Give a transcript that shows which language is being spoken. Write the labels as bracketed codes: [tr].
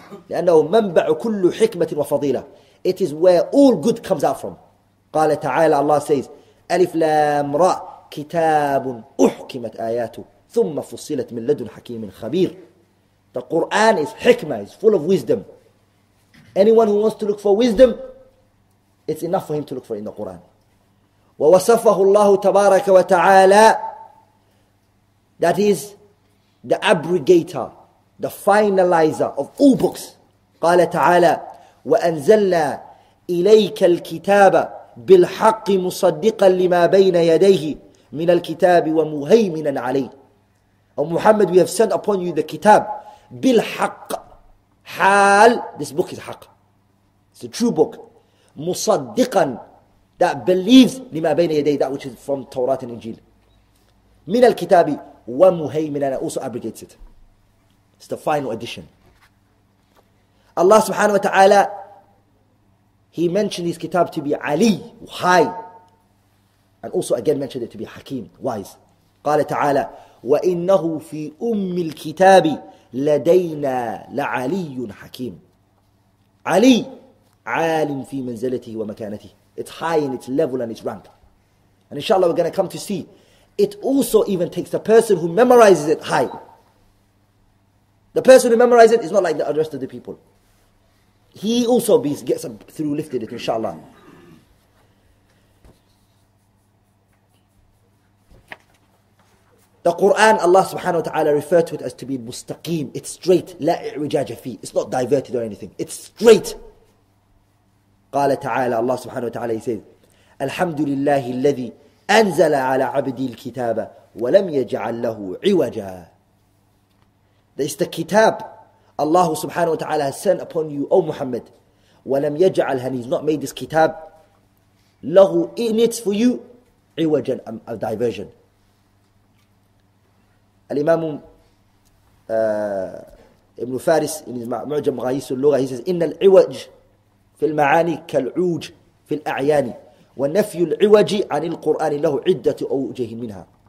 [ar] لأنه منبع كل حكمة وفضيلة. [en] It is where all good comes out from. [ar] قال تعالى, [en] Allah says, [ar] ألف لام راء كتاب أحكمت آياته ثم فصلت من لدن حكيم خبير. [en] The Quran is حكمة, is full of wisdom. Anyone who wants to look for wisdom, it's enough for him to look for in the Quran. [ar] ووصفه الله تبارك وتعالى, [en] that is the abrogator, the finalizer of all books. [ar] قال تعالى, وأنزلنا إليك الكتاب بالحق مصدقا لما بين يديه من الكتاب ومهيمنا عليه. [en] O Muhammad, we have sent upon you the kitab بالحق. حال, this book is حق. It's a true book. مصدقا, that believes [ar] لما بين يديه, [en] that which is from Torah and Injil. [ar] من الكتاب ومهيمنا, [en] and also abrogates it. It's the final edition. Allah subhanahu wa ta'ala, He mentioned His kitab to be Ali, high. And also again mentioned it to be hakim, wise. [ar] قال تعالى وإنه في أم الكتاب لدينا لعلي حكيم. علي عالم في منزلته ومكانته. [en] It's high in its level and its rank. And inshallah we're going to come to see. It also even takes the person who memorizes it high. The person who memorizes it is not like the rest of the people. He also gets through lifted it, inshallah. The Quran, Allah subhanahu wa ta'ala referred to it as to be mustaqim. It's straight. [ar] لا إعوجاج فيه. [en] It's not diverted or anything. It's straight. [ar] قال تعالى الله سبحانه وتعالى يسيد الحمد لله الذي أنزل على عبدي الكتاب ولم يجعل له عوجا. [en] That is the kitab Allah subhanahu wa ta'ala has sent upon you, O Muhammad. [ar] وَلَمْ يَجْعَلْ [en] And he's not made this kitab. لَهُ in it for you. عِوَجًا a diversion. [ar] الإمام ابن فارس [en] in his [ar] معجم غايس اللغة [en] he says [ar] إِنَّ الْعِوَجْ فِي الْمَعَانِ كَالْعُوجْ فِي الْأَعْيَانِ وَنَفْيُ الْعِوَجِ عَنِ الْقُرْآنِ لَهُ عِدَّةُ أَوْجَهٍ مِنْهَا.